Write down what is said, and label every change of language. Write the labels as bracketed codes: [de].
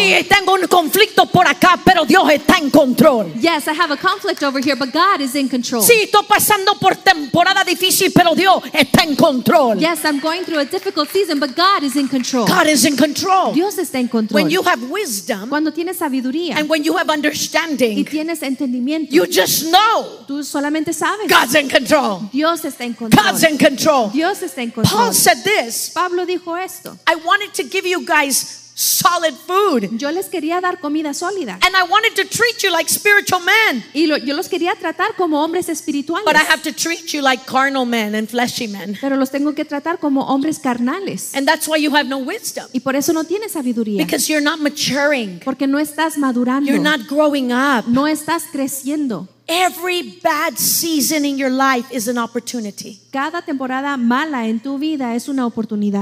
[es] Sí, tengo un conflicto por acá, pero Dios está en control. [en] Yes, I have a conflict over here, but God is in control. [es] Sí, estoy pasando por temporada difícil, pero Dios está en control. [en] Yes, I'm going through a difficult season, but God is in control. God is in control. [es] Dios está en control. [en] When you have wisdom, [es] cuando tienes sabiduría, [en] and when you have understanding, [es] y tienes entendimiento, [en] you just know. [es] Tú solamente sabes. [en] God's in control. [es] Dios está en control. [en] God's in control. [es] Dios está en control. [en] Paul said this. [es] Pablo dijo esto. [en] I wanted to give you guys solid food. [es] Yo les quería dar comida sólida. [en] And I wanted to treat you like spiritual men. [es] Y yo los quería tratar como hombres espirituales. [en] But I have to treat you like carnal men and fleshy men. [es] Pero los tengo que tratar como hombres carnales. [en] And that's why you have no wisdom. [es] Y por eso no tienes sabiduría. [en] Because you're not maturing. [es] Porque no estás madurando. [en] You're not growing up. [es] No estás creciendo. [en] Every bad season in your life is an opportunity. [es] Cada temporada mala en tu vida es una oportunidad.